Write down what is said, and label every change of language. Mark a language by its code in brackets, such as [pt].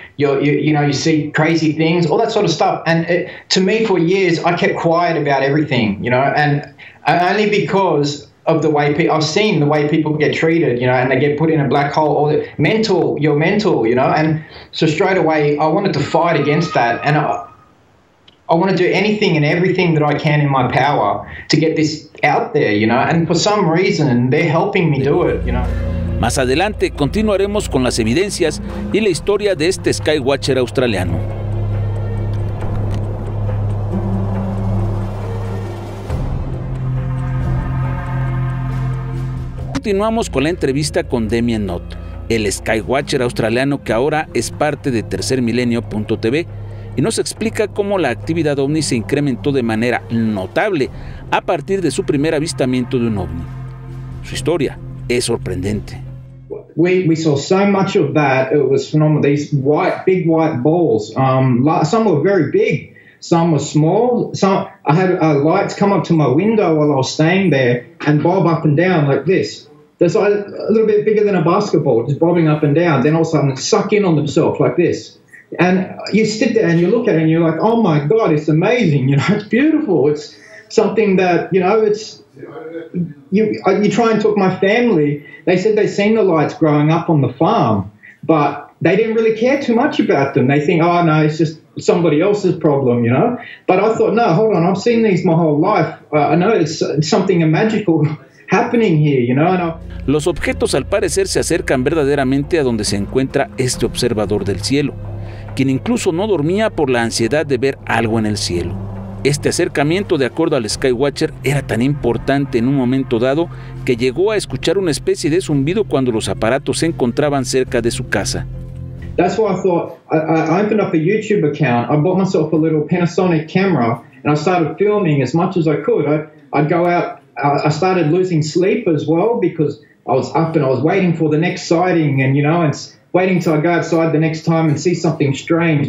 [en] You see crazy things, all that sort of stuff. And to me, for years, I kept quiet about everything, you know, and only because of the way I've seen the way people get treated, you know, and they get put in a black hole, or you're mental, you know. And so straight away, I wanted to fight against that, and I want to do anything and everything that I can in my power to get this out there, you know, and for some reason they're helping me do it, you know. [es] Más adelante continuaremos con las evidencias y la historia de este Skywatcher australiano. Continuamos con la entrevista con Damien Knott, el Skywatcher australiano que ahora es parte de TercerMilenio.tv, y nos explica cómo la actividad OVNI se incrementó de manera notable a partir de su primer avistamiento de un OVNI. Su historia es sorprendente. [en] We saw so much of that, it was phenomenal. These white, big white balls, some were very big, some were small. I had lights come up to my window while I was staying there and bob up and down like this. They're so, a little bit bigger than a basketball, just bobbing up and down. Then all of a sudden, suck in on themselves like this. And you sit there and you look at it and you're like, oh my God, it's amazing. You know, it's beautiful. It's something that, you know, you try and talk to my family. They said they'd seen the lights growing up on the farm, but they didn't really care too much about them. They think, oh no, it's just somebody else's problem, you know. But I thought, no, hold on, I've seen these my whole life. I know it's something magical happening here, you know. [es] Los objetos al parecer se acercan verdaderamente a donde se encuentra este observador del cielo, quien incluso no dormía por la ansiedad de ver algo en el cielo. Este acercamiento, de acuerdo al Skywatcher, era tan importante en un momento dado que llegó a escuchar una especie de zumbido cuando los aparatos se encontraban cerca de su casa. [en] That's why I thought, I opened up a YouTube account, I bought myself a little Panasonic camera, and I started filming as much as I could. I'd go out, I started losing sleep as well, because I was up and I was waiting for the next sighting, and you know, and waiting till I go outside the next time and see something strange.